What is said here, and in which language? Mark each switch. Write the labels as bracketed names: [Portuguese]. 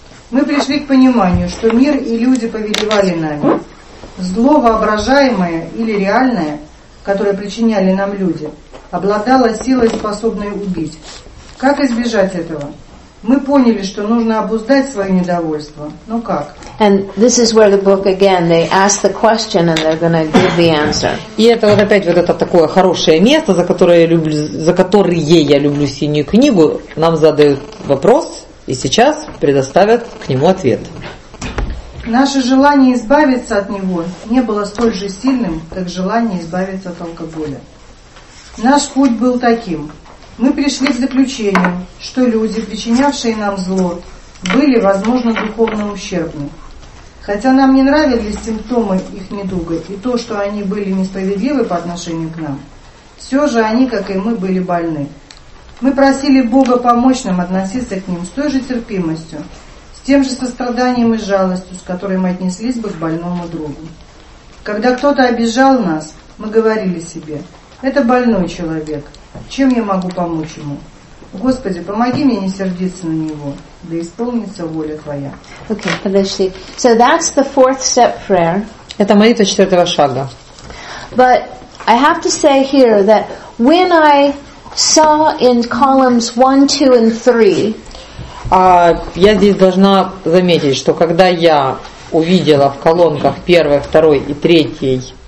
[Russian] Мы пришли к пониманию, что мир и люди повелевали нами. Зло, воображаемое или реальное, которое причиняли нам люди, обладало силой, способной убить. Как избежать этого? Мы поняли, что нужно обуздать свое недовольство. Но как? [English] And this is where the book again, they ask the question and they're going to give the answer. [Russian] И это вот опять вот это такое хорошее место, за которое я люблю синюю книгу, нам задают вопрос и сейчас предоставят к нему ответ. Наше желание избавиться от него не было столь же сильным, как желание избавиться от алкоголя. Наш путь был таким. Мы пришли к заключению, что люди, причинявшие нам зло, были, возможно, духовно ущербны. Хотя нам не нравились симптомы их недуга и то, что они были несправедливы по отношению к нам, все же они, как и мы, были больны. Мы просили Бога помочь нам относиться к ним с той же терпимостью, с тем же состраданием и жалостью, с которой мы отнеслись бы к больному другу. Когда кто-то обижал нас, мы говорили себе: «Это больной человек. Чем я могу помочь ему? Господи, помоги мне не сердиться на него, да исполнится воля Твоя». [English] Okay, [Russian] подожди. [English] So that's the fourth step prayer. [Russian] Это молитва четвертого шага. [English] But I have to say here that when I saw in columns 1, 2, and 3. [Russian] Я здесь должна заметить, что когда я увидела в колонках 1, 2 и 3.